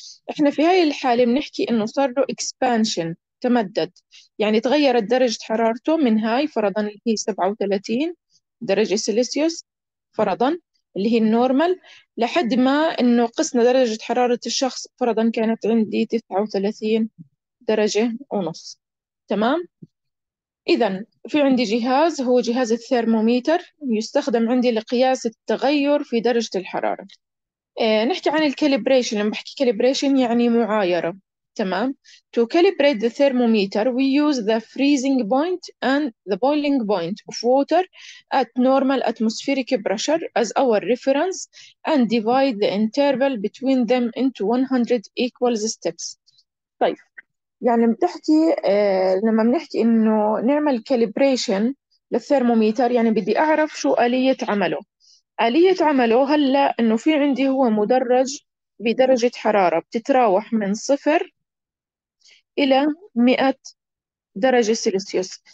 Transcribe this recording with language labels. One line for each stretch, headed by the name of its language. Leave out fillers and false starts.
Arabic: احنا في هاي الحالة بنحكي انه صار له expansion، تمدد، يعني تغيرت درجة حرارته من هاي فرضا اللي هي 37 درجة سيلسيوس فرضا اللي هي النورمال، لحد ما انه قسنا درجة حرارة الشخص فرضا كانت عندي 39 درجة ونص، تمام. إذا في عندي جهاز هو جهاز الثيرموميتر يستخدم عندي لقياس التغير في درجة الحرارة. نحكي عن الكاليبريشن. لما بحكي كاليبريشن يعني معايرة، تمام.
English: To calibrate the thermometer we use the freezing point and the boiling point of water at normal atmospheric pressure as our reference and divide the interval between them into 100 equal steps.
Arabic: طيب يعني بتحكي لما بنحكي إنه نعمل كاليبريشن للثيرموميتر، يعني بدي أعرف شو آلية عمله. آلية عمله هلا إنه في عندي هو مدرج بدرجة حرارة بتتراوح من 0 إلى 100 درجة سيلسيوس.